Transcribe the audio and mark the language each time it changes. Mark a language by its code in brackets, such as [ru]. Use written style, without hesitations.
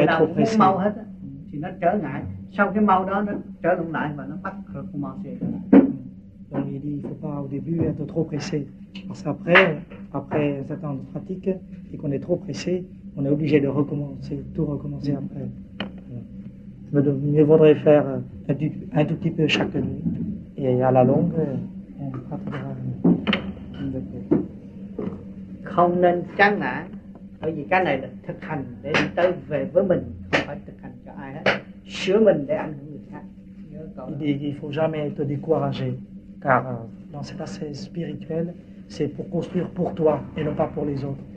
[vi] người nào cũng muốn mau hết á, thì nó trở ngại. Sau cái mau đó nó trở lộn lại và nó bắt commencer. [fr] Donc il dit, il faut pas au début être trop pressé, parce qu'après un certain temps de pratique et qu'on est trop pressé, on est obligé de recommencer, tout recommencer après. Mieux vaudrait faire un tout petit peu chaque nuit et à la longue on pratiquera. [vi] Không nên chán ngại. Bởi vì cái này là thực hành để đi tới về với mình, không phải thực hành cho ai hết. Sửa mình để ảnh hưởng người khác. [fr] Il faut jamais te décourager, car dans cet aspect spirituel, c'est pour construire pour toi et non pas pour les autres.